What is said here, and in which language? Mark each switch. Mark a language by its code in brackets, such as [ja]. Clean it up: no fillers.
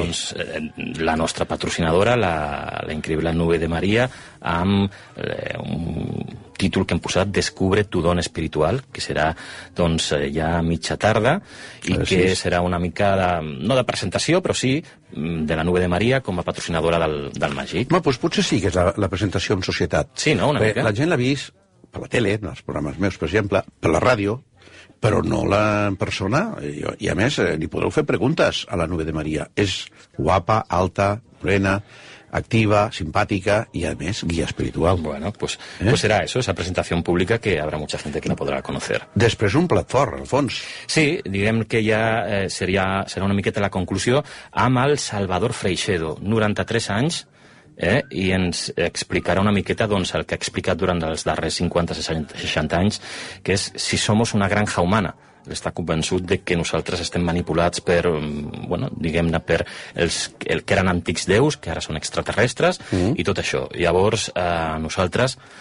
[ca] Doncs la nostra patrocinadora, la increïble Nube de Maria, amb un títol que hem posat, [es] Descubre tu don espiritual, [ca] que serà, doncs, ja a mitja tarda, i que serà una mica, no de presentació, però sí de la Nube de Maria com a patrocinadora del Màgic. Home, doncs potser sí que és la presentació en societat. Sí, no? Una mica. La gent l'ha vist per la tele, en els programes meus, per exemple, per la ràdio, però no la persona, i a més, li podreu fer preguntes a la Nube de Maria. [es] És guapa, alta, morena, activa, simpática y además guía espiritual. Bueno, pues será eso, esa presentación pública que habrá mucha gente que la podrá conocer. Después un [ca] plat fort, [es] Alfons. [ca] Sí, diguem que [es] ya sería [ca] una miqueta la conclusión. Amb el Salvador Freixedo, 93 anys, i ens explicarà una miqueta doncs, el que ha explicat durant els darrers 50-60 anys, que és [es] si somos una granja humana. [ca] Està convençut de que nosaltres estem manipulats per, bueno, diguem-ne, per el que eren antics déus, que ara són extraterrestres, i tot això. Llavors, nosaltres